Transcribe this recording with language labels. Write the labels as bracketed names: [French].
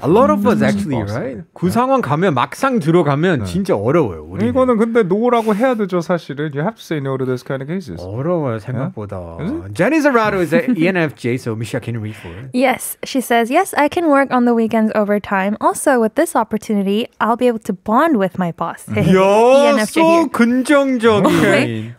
[English] A lot of us actually, right? [Korean] 그 yeah. 상황 가면 막상 들어가면 yeah. 진짜 어려워요. 우리는. 이거는 근데 노라고 해야 되죠, 사실은. [English] You have to say no to this kind of cases. [Korean] 어려워요, 생각보다. [English] Yeah? Jenny Zarrado is an ENFJ, so Misha, can you read for it? Yes, she says, yes, I can work on the weekends overtime. Also, with this opportunity, I'll be able to bond with my boss. Yo, so 긍정적인. Okay.